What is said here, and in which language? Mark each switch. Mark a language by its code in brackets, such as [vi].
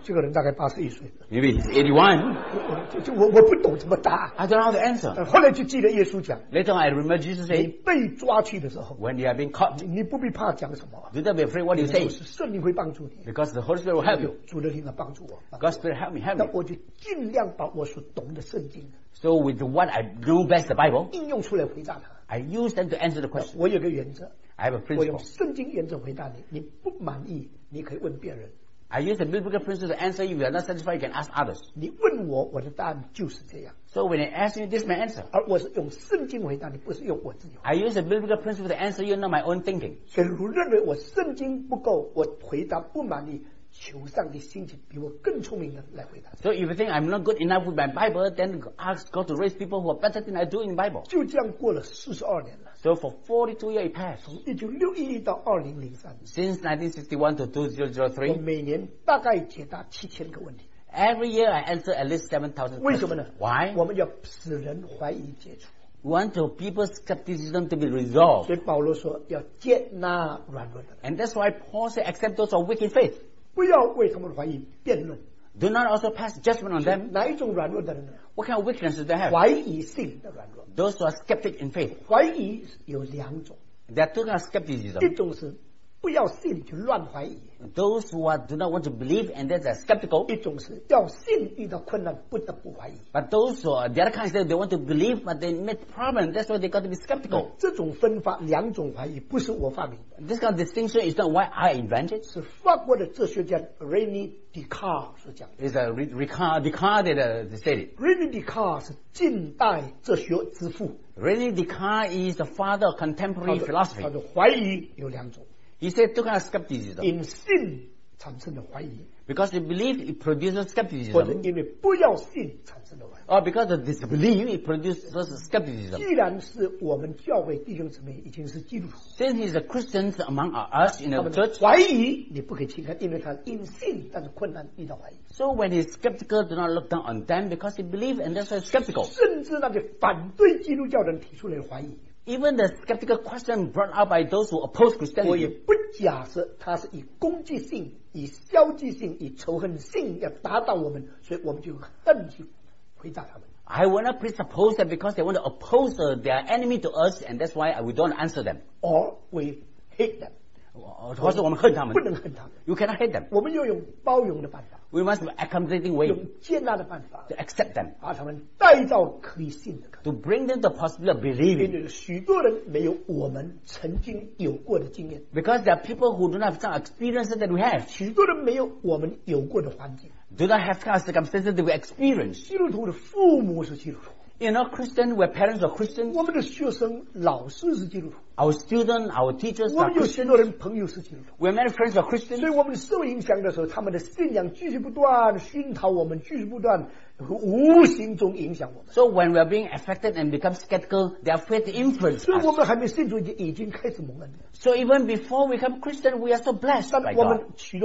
[zh] 这个人大概八十一岁。 [en] Maybe he's 81. [zh] 我不懂怎么答。 [en] I don't know how to answer. [zh] 后来就记得耶稣讲。 [en] Later I remember Jesus saying, [zh] 你被抓去的时候。 [en] When you have been caught. [zh] 你不必怕讲什么。 [en] Do not be afraid what you say. [zh] 圣灵会帮助你。 [en] Because the Holy Spirit will help you. [zh] 主的灵来帮助我。 [en] God's Spirit help me. [zh] 那我就尽量把我所懂的圣经。 [en] So with what I know best the Bible. [zh] 应用出来回答他。 [en] I use them to answer the question. [zh] 我有个原则。 [en] I have a principle. [zh] 我用圣经原则回答你，你不满意，你可以问别人。 [en] I use the biblical principle to answer you. If you are not satisfied, you can ask others. [zh] 你问我，我的答案就是这样。 [en] So when I ask you, this is my answer. [zh] 而我是用圣经回答你，不是用我自己。 [en] I use the biblical principle to answer you, not my own thinking. [zh] 所以，如认为我圣经不够，我回答不满意。求上帝兴起比我更聪明的来回答。 [en] So if you think I'm not good enough with my Bible, then ask God to raise people who are better than I do in the Bible. [zh] 就这样过了42年了。 [en] So for 42 years passed. [zh] 从1961到2003。 [en] Since 1961 to 2003. [zh] 我每年大概解答7000个问题。 [en] Every year I answer at least 7000 questions. [zh] 为什么呢 [en] ？Why? [zh] 我们要使人怀疑解除。 [en] We want to people's skepticism to be resolved. [zh] 所以保罗说要接纳软弱的人。 [en] And that's why Paul said, accept those who are weak in faith. [zh] 不要为他们怀疑辩论。 [en] Do not also pass judgment on them. [zh] 哪一种软弱的人呢 [en] ？What kind of weakness do they have? [zh] 怀疑性的软弱。 [en] Those who are skeptic in faith. [zh] 怀疑有两种。 [en] There are two kinds of skepticism. [zh] 一种是不要信就乱怀疑。 [en] those who are, do not want to believe and they are skeptical. [zh] 一种是要信遇到困难不得不怀疑. [en] But those who are, the other kind, they want to believe but they make problems, that's why they got to be skeptical. [zh] 这种分法两种怀疑不是我发明的. [en] This kind of distinction is not why I invented. [zh] 是法国的哲学家 René Descartes 所讲的. [en] Descartes said it. [zh] René Descartes 是近代哲学之父. [en] René Descartes is the father of contemporary philosophy. [zh] 他的怀疑有两种. [en] He said two kinds of skepticism. In sin [zh] 产生的怀疑. [en] Because the belief it produces skepticism. [zh] 或者因为不要信产生的怀疑. [en] Or because of disbelief it produces skepticism. [zh] 既然是我们教会弟兄姊妹已经是基督徒. [en] Since he's a Christian among us in a church. [zh] 怀疑你不可以轻看，因为他因信但是困难遇到怀疑. [en] So when he's skeptical, do not look down on them because he believes and that's why he's skeptical. [zh] 甚至那些反对基督教人提出来的怀疑. [en] Even the skeptical question brought out by those who oppose Christianity. [zh] 我也不假设他是以攻击性、以消极性、以仇恨性要达到我们，所以我们就恨去回答他们。 [en] I will not presuppose that because they want to oppose their enemy to us, and that's why we don't answer them. Or we hate them. [zh] 或是我们恨他们。不能恨他们。 [en] You cannot hate them. [zh] 我们要用包容的办法。 [en] We must be accommodating way. [zh] 用接纳的办法。 [en] To accept them. [zh] 把他们带到可以信的。 [en] To bring them the possibility of believing. [zh] 因为许多人没有我们曾经有过的经验。 [en] Because there are people who do not have some experiences that we have. [zh] 许多人没有我们有过的环境。 [en] Do not have some circumstances that we experience. [zh] 基督徒的父母是基督徒。 [en] You know, Christian, where parents are Christian. [zh] 我们的学生老师是基督徒。 [en] Our students, our teachers are Christians. We have many friends are Christians. [zh] 所以我们受影响的时候，他们的信仰继续不断熏陶我们，继续不断。无形中影响我们。 [en] So when we are being affected and become skeptical, their faith influences us. [zh] 所以我们还没信主已经开始蒙恩了。 [en] So even before we become Christian, we are so blessed by God.